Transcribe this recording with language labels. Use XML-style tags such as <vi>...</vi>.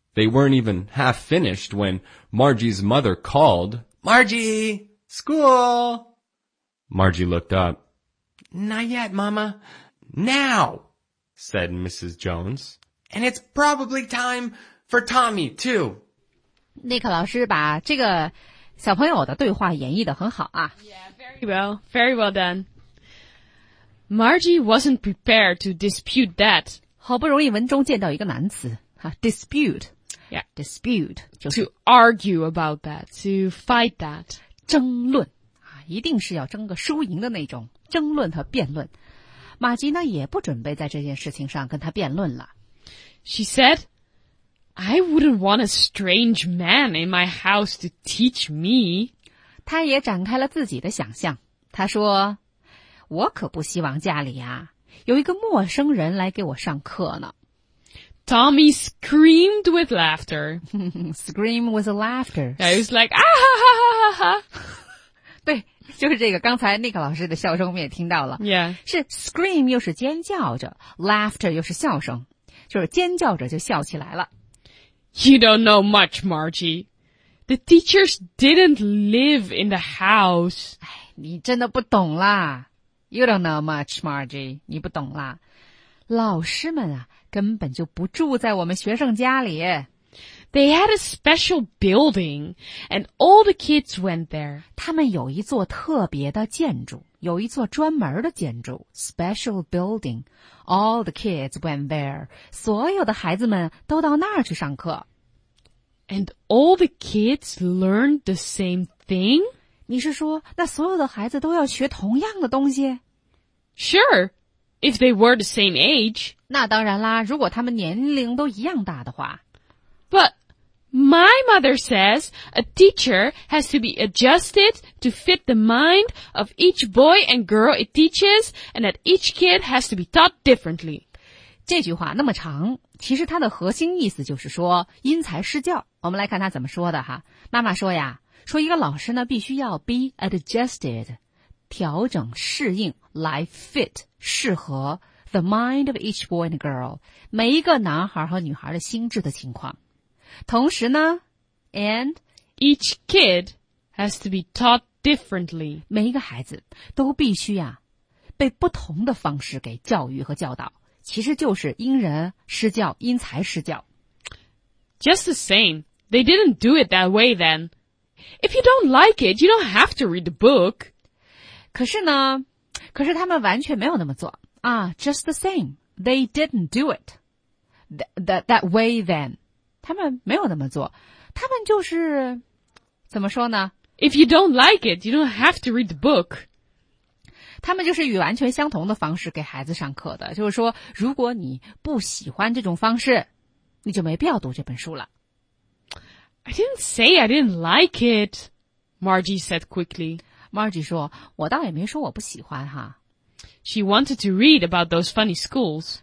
<en>They weren't even half finished when Margie's mother called. Margie! School! Margie looked up. Not yet, Mama. Now! Said Mrs. Jones. And it's probably time for Tommy, too.</en> <zh>Nick 老师把这个小朋友的对话演绎得很好啊。</zh> <en>Yeah, very well. Very well done. Margie wasn't prepared to dispute that.</en> <zh>好不容易文中见到一个难词。</zh> <en>Dispute. Yeah. Dispute. To argue about that. To fight that.</en> <zh>争论、啊、一定是要争个输赢的那种争论和辩论。马吉呢也不准备在这件事情上跟他辩论了。</zh> <en>She said, I wouldn't want a strange man in my house to teach me.</en> <zh>他也展开了自己的想象。他说，我可不希望家里啊有一个陌生人来给我上课呢。</zh> <en>Tommy screamed with laughter. Scream with laughter. Yeah, he was like, ah, ha, ha, ha, ha, ha.</en> <zh>对，就是这个，刚才 Nick 老师的笑声我们也听到了。</zh> <en>Yeah.</en> <zh>是 scream 又是尖叫着， laughter 又是笑声，就是尖叫着就笑起来了。</zh> <en>You don't know much, Margie. The teachers didn't live in the house.</en> <zh>哎，你真的不懂啦。</zh> <en>You don't know much, Margie.</en> <zh>你不懂啦。老师们啊，根本就不住在我们学生家里。</zh> <en>They had a special building, and all the kids went there.</en> <zh>他们有一座特别的建筑，有一座专门的建筑 ,</zh> <en>special building. All the kids went there.</en> <zh>所有的孩子们都到那儿去上课。</zh> <en>And all the kids learned the same thing?</en> <zh>你是说那所有的孩子都要学同样的东西？</zh> <en>Sure, if they were the same age.</en> <zh>那当然啦，如果他们年龄都一样大的话。</zh> <en>But my mother says a teacher has to be adjusted to fit the mind of each boy and girl it teaches and that each kid has to be taught differently.</en> <zh>这句话那么长，其实它的核心意思就是说因材施教。我们来看他怎么说的哈。妈妈说呀，说一个老师呢必须要</zh> <en>be adjusted,</en> <zh>调整适应来 fit, 适合</zh> <en>the mind of each boy and girl,</en> <zh>每一个男孩和女孩的心智的情况。同时呢 ,and</zh> <en>each kid has to be taught differently.</en> <zh>每一个孩子都必须啊被不同的方式给教育和教导。其实就是因人施教，因材施教。</zh> <en>Just the same, they didn't do it that way then. If you don't like it, you don't have to read the book.</en> <zh>可是呢，可是他们完全没有那么做啊。</zh> <en>Just the same, they didn't do it that way then.</en> <zh>他们没有那么做，他们就是怎么说呢</zh> <en>？If you don't like it, you don't have to read the book.</en> <zh>他们就是以完全相同的方式给孩子上课的，就是说如果你不喜欢这种方式，你就没必要读这本书了。</zh> <en>I didn't say I didn't like it, Margie said quickly.</en> <zh>Margie 说，我倒也没说我不喜欢哈。</zh> <en>She wanted to read about those funny schools.</en>